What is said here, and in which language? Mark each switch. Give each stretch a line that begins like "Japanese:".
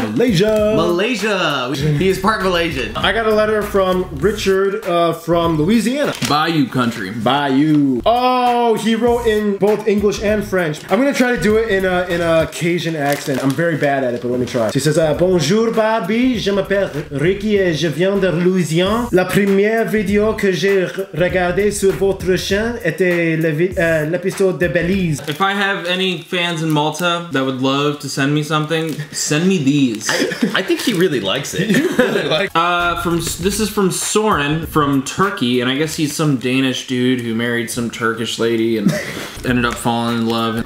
English: Malaysia! He is part Malaysian. I got a letter from Richard from Louisiana. Bayou country. Bayou. Oh, he wrote in both English and French. I'm gonna try to do it in a Cajun accent. I'm very bad at it, but let me try. He says, bonjour, Bobby.
French: Je m'appelle Ricky et je viens de Louisiane. La première vidéo que j'ai regardée sur votre chaîne était l'épisode de Belize.
English: If I have any fans in Malta that would love to send me something, send me these. I think he really likes it. This is from Soren from Turkey, and I guess he's some Danish dude who married some Turkish lady and ended up falling in love.